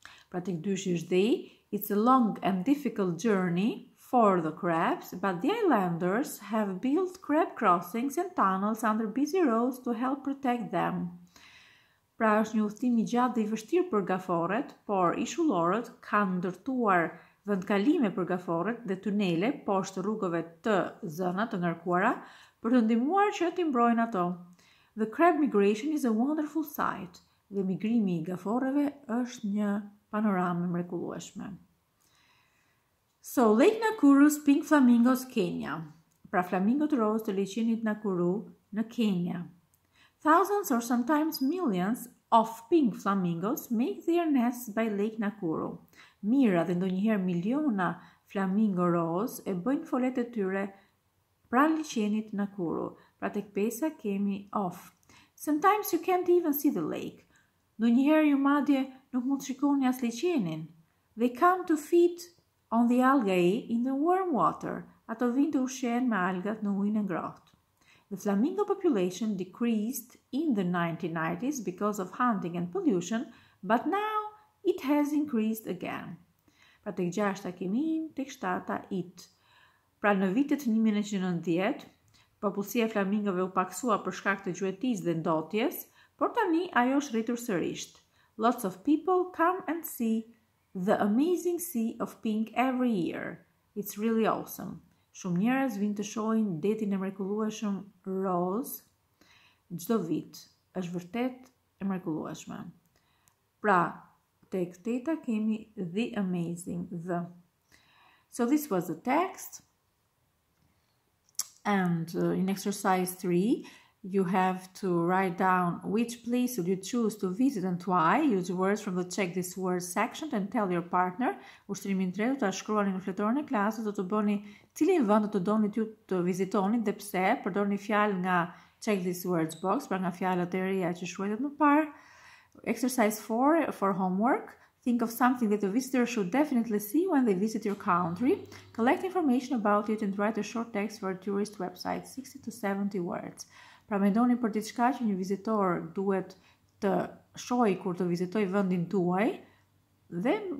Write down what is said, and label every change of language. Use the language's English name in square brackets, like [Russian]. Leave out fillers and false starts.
[Albanian] Pra tek dyshi është dhe, [English] it's a long and difficult journey for the crabs, but the islanders have built crab crossings and tunnels under busy roads to help protect them. [Albanian] Pra është një udhtim i gjatë dhe i vështirë për gaforet, por ishullorët kanë ndërtuar vendkalime për gaforet dhe tunele poshtë rrugëve të zëna të ngarkuara për të ndihmuar që të mbrojnë ato. [English] The crab migration is a wonderful sight. [Albanian] Dhe migrimi i gaforeve është një panoramë mrekullueshme. [English] So, Lake Nakuru's pink flamingos, Kenya. [Albanian] Pra flamingot rozë të liqenit Nakuru në Kenya. [English] Thousands or sometimes millions of pink flamingos make their nests by Lake Nakuru. [Albanian] Mira dhe ndonjëherë miliona flamingo rozë e bëjnë folet e tyre pra liqenit Nakuru. Pra tek pesa kemi of. [English] Sometimes you can't even see the lake. [Albanian] Ndonjëherë ju madje nuk mund të shikoni as liqenin. [English] They come to feed on the algae in the warm water. [Albanian] Ato vinë të ushqehen me algat në ujin e ngrohtë. [English] The flamingo population decreased in the 1990s because of hunting and pollution, but now it has increased again. [Albanian] Pra tek 6-ta kemi in, tek 7-ta it. Pra në vitet 1990, popullsia e flamingove u paksua për shkak të gjuetisë dhe ndotjes, por tani ajo është rritur sërish. [English] Lots of people come and see the amazing sea of pink every year. It's really awesome. [Albanian] Shumë njerëz vinë të shohin detin e mrekullueshëm roz çdo vit. Është vërtet e mrekullueshme. Pra, tek teta kemi the amazing the. [English] So this was the text. And in exercise 3, you have to write down which place would you choose to visit and why. Use words from the check this word section and tell your partner. [Albanian] Ushtrimin 3 do ta shkruani në fletorën e klasës, do të bëni cilin vend do të doni ju të vizitoni dhe pse. Përdorni fjalë nga check this words box, pra nga fjalët e reja që shkruajtë më parë. [English] Exercise 4 for homework. Think of something that a visitor should definitely see when they visit your country. Collect information about it and write a short text for a tourist website, 60 to 70 words. [Albanian] Pra mendoni për diçka që një vizitor duhet të shohë kur të vizitojë vendin tuaj dhe koleksionoj informacion për këtë gjë dhe shkruaj një tekst të shkurtër.